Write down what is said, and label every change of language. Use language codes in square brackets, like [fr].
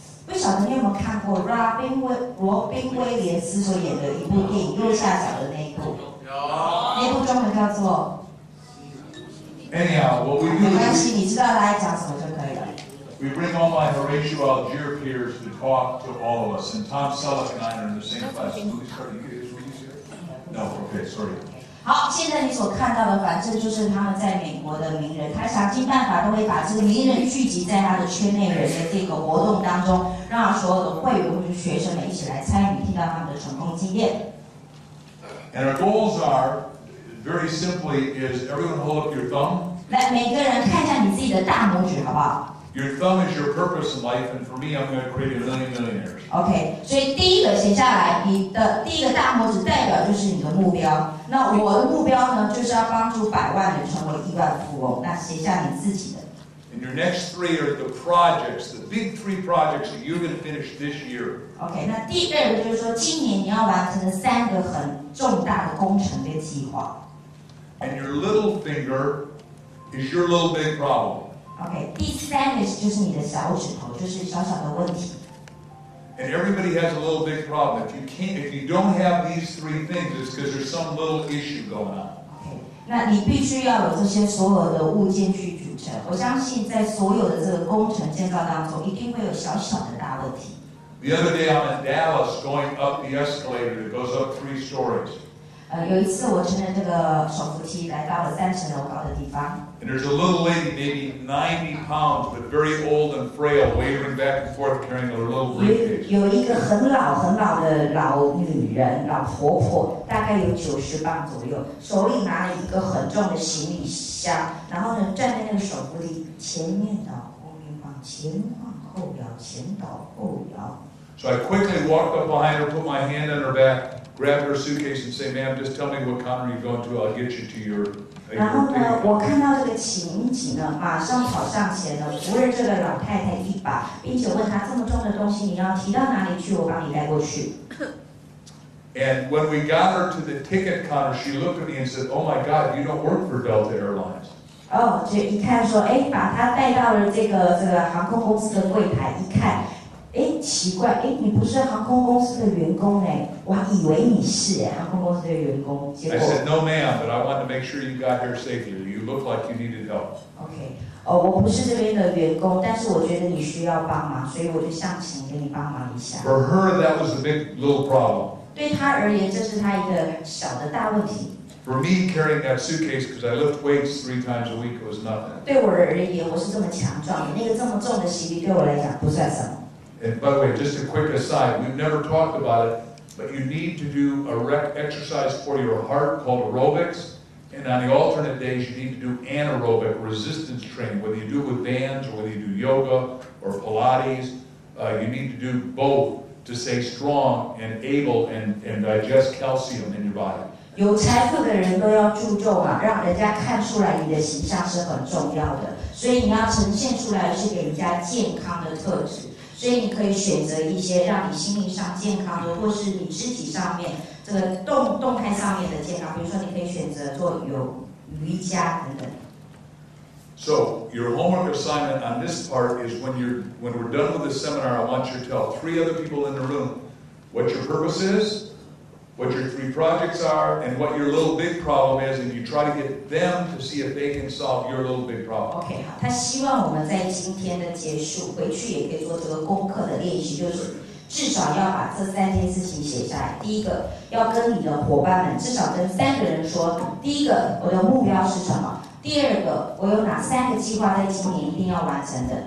[zh] 不晓得你有没有看过罗宾威廉斯所演的一部电影《右下角的那一部》，那部中文叫做。 [en] Anyhow, what we do is. [zh] 没关系，你知道来讲什么就可以了。 [en] We bring all my Horatio Alger peers to talk to all of us, and Tom Selleck and I are in the same class. [zh] 好，现在你所看到的，反正就是他们在美国的名人，他想尽办法都会把这个名人聚集在他的圈内人的这个活动当中，让所有的会员或者学生们一起来参与，听到他们的成功经验。 [en] And our goals are very simply is everyone hold up your thumb. [zh] 来，每个人看一下你自己的大拇指，好不好？ [en] Your thumb is your purpose in life, and for me, I'm going to create a million millionaires. [zh] Okay, 所以第一个写下来，你的第一个大拇指代表就是你的目标。那我的目标呢，就是要帮助百万人成为亿万富翁。那写下你自己的。 [en] And your next three are the projects, the big three projects that you're going to finish this year. [zh] Okay, 那第二个就是说，今年你要完成的三个很重大的工程跟计划。 [en] And your little finger is your little big problem. [zh] Okay, 第三个就是你的小指头，就是小小的问题。 [en] And everybody has a little big problem. If you don't have these three things, it's because there's some little issue going on. [zh] Okay, 那你必须要有这些所有的物件去组成。我相信在所有的这个工程建造当中，一定会有小小的大问题。 [en] The other day I'm in Dallas going up the escalator that goes up 3 stories. [zh] 有一次我乘着这个手扶梯来到了3层楼高的地方。 [en] And there's a little lady, maybe 90 pounds, but very old and frail, wavering back and forth, carrying a little briefcase. [zh] 有一个很老很老的老女人，老婆婆，大概有90磅左右，手里拿了一个很重的行李箱，然后呢，站在那个手扶梯前面倒，后面晃，前晃后摇，前倒后摇。 [en] So I quickly walked up behind her, put my hand on her back, grabbed her suitcase and said, "Ma'am, just tell me what counter you're going to. I'll get you to your." [zh] 然后呢，我看到这个情景呢，马上跑上前呢，扶了这个老太太一把，并且问她：这么重的东西你要提到哪里去？我帮你带过去。 [en] And when we got her to the ticket counter, she looked at me and said, "Oh my God, you don't work for Delta Airlines." [zh] 哦，就一看说，哎，把她带到了这个航空公司的柜台，一看，哎，奇怪，哎，你不是航空公司的员工哎，我还以为你是哎，航空公司的员工。结果 [en] I said, "No, ma'am, but I want to make sure you got here safely. You look like you needed help." [zh] Okay, 哦，我不是这边的员工，但是我觉得你需要帮忙，所以我就上前给你帮忙一下。 [en] For her, that was a big little problem. [zh] 对他而言，这是他一个小的大问题。 [en] For me, carrying that suitcase because I lift weights 3 times a week was nothing. [zh] 对我而言，我是这么强壮的，那个这么重的行李对我来讲不算什么。 [en] And by the way, just a quick aside, we've never talked about it, but you need to do a rec exercise for your heart called aerobics, and on the alternate days you need to do anaerobic resistance training, whether you do it with bands or whether you do yoga or Pilates, you need to do both. To stay strong and able and digest calcium in your body. [zh] 有财富的人都要注重啊，让人家看出来你的形象是很重要的。所以你要呈现出来是给人家健康的特质。所以你可以选择一些让你心理上健康的，或是你肢体上面这个动态上面的健康。比如说，你可以选择做瑜伽等等。 [en] So your homework assignment on this part is when we're done with the seminar, I want you to tell 3 other people in the room what your purpose is, what your 3 projects are, and what your little big problem is, and you try to get them to see if they can solve your little big problem. [zh] Okay, 好，他希望我们在今天的结束回去也可以做这个功课的练习，就是至少要把这3件事情写下来。第一个，要跟你的伙伴们至少跟3个人说，第一个，我的目标是什么。第二个，我有哪3个计划在今年一定要完成的？